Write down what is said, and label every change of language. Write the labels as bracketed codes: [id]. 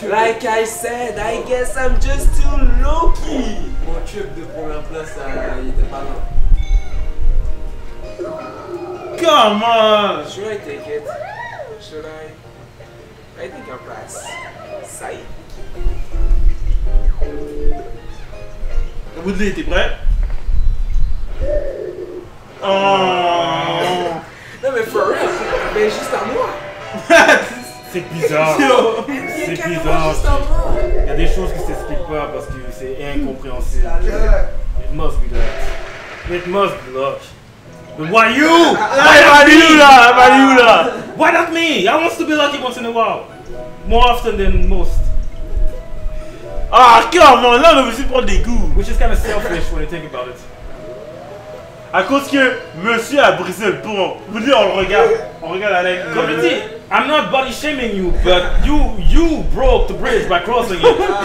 [en] like I said, I guess I'm just too lucky. [fr] Mon trip de première place, il était pas long. [en] Come on! Should I take it? I think I'll pass. Sigh. [fr] Woodley, t'es prêt? Oh! Non, mais for real, mais juste à moi! C'est bizarre! C'est bizarre! Il y a des choses qui ne s'expliquent pas parce que c'est incompréhensible. [en] It must be luck. It must be luck. But why you? Why am I you là? Why not me? I want to be lucky once in a while. More often than most. [fr] Ah, come on, là, on veut juste prendre des goûts. [en] Which is kind of selfish when you think about it. [fr] À cause que monsieur a brisé le pont. Vous dites, on regarde Alex. [en] Comme je dis, I'm not body shaming you, but you broke the bridge by crossing it.